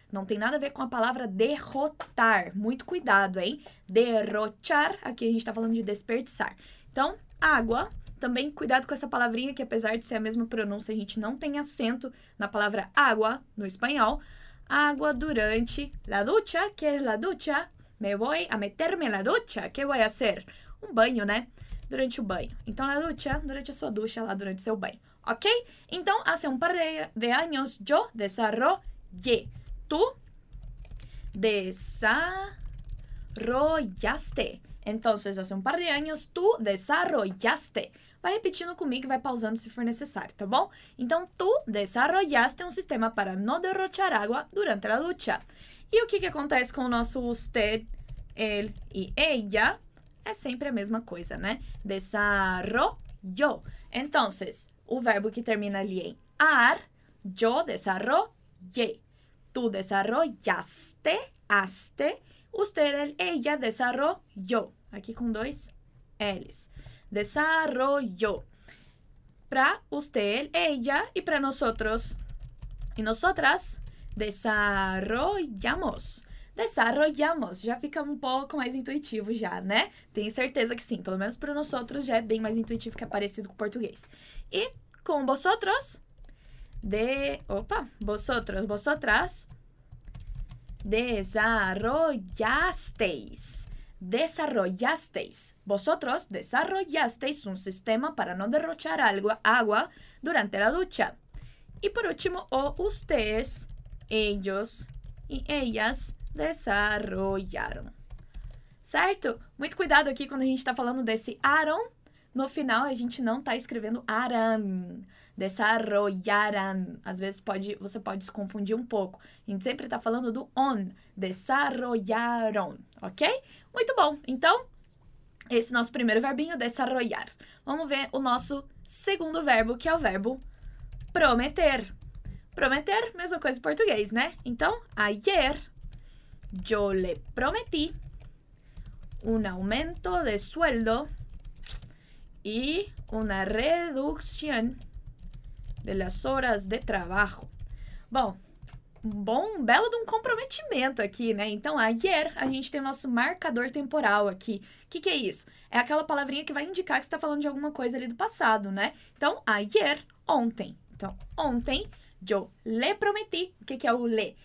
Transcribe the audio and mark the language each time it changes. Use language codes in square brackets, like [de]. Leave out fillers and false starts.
[pt] Não tem nada a ver com a palavra derrotar. Muito cuidado, hein? Derrochar, aqui a gente está falando de desperdiçar. Então, água, também cuidado com essa palavrinha, que apesar de ser a mesma pronúncia, a gente não tem acento na palavra água no espanhol. [es] Água durante la ducha, que es la ducha? Me voy a meterme la ducha, que voy a hacer? [pt] Um banho, né? Durante o banho. Então, la ducha, durante a sua ducha, lá durante o seu banho. Ok? [es] Então, hace un par de años yo desarrollé. Tu desarrollaste. Entonces, hace un par de años tu desarrollaste. [pt] Vai repetindo comigo e vai pausando se for necessário, tá bom? Então, [es] tu desarrollaste [pt] um sistema para não derrochar água durante a ducha. E o que que acontece com o nosso usted, ele e ella? É sempre a mesma coisa, né? Desarrollo. Entonces, o verbo que termina ali em ar, [es] yo desarrollé. Tu desarrollaste, aste, usted, él, ella desarrolló. [pt] Aqui com dois L's. Desarrollo. Para [es] usted, ella [pt] e para nosotros. E nosotras, desarrollamos. [es] Desarrollamos. [pt] Já fica um pouco mais intuitivo já, né? Tenho certeza que sim. Pelo menos para nosotros já é bem mais intuitivo, que é parecido com o português. E com vosotros, de, opa, [es] vosotros, vosotras, desarrollasteis. Desarrollasteis. Vosotros desarrollasteis un sistema para no derrochar agua durante la ducha. Y por último, o ustedes, ellos y ellas desarrollaron. [pt] Certo? Muito cuidado aqui quando a gente está falando desse aron. No final, a gente não está escrevendo aran. Desarrollaran. Às vezes você pode se confundir um pouco. A gente sempre está falando do on. Desarrollaron. Ok? Muito bom. Então, esse nosso primeiro verbinho, desarrollar. Vamos ver o nosso segundo verbo, que é o verbo prometer. Prometer, mesma coisa em português, né? [es] Então, ayer, yo le prometí un aumento de sueldo y una reducción de las horas de trabajo. [pt] Bom, um belo de um comprometimento aqui, né? Então, ayer, a gente tem o nosso marcador temporal aqui. Que é isso? É aquela palavrinha que vai indicar que você está falando de alguma coisa ali do passado, né? Então, ayer, ontem. Então, ontem, [es] yo le prometi. [pt] O que é o le?